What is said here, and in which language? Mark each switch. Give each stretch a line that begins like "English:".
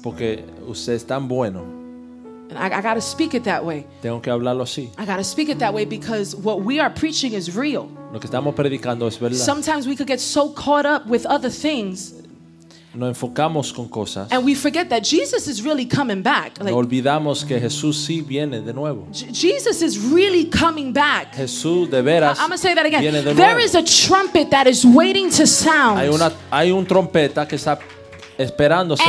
Spanish: Porque usted es tan bueno.
English: And I gotta speak it that way.
Spanish: Tengo que hablarlo así.
English: I gotta speak it that way because what we are preaching is real.
Spanish: Lo que estamos predicando es verdad.
English: Sometimes we could get so caught up with other things.
Spanish: Nos enfocamos con cosas.
English: And we forget that Jesus is really coming back.
Spanish: Like, olvidamos que Jesús sí viene de nuevo.
English: Jesus is really coming back.
Spanish: Jesús de veras.
English: I'm gonna say that again.
Spanish: Viene de nuevo.
English: There is a trumpet that is waiting to sound.
Spanish: Hay un trompeta que está esperando ser sonado.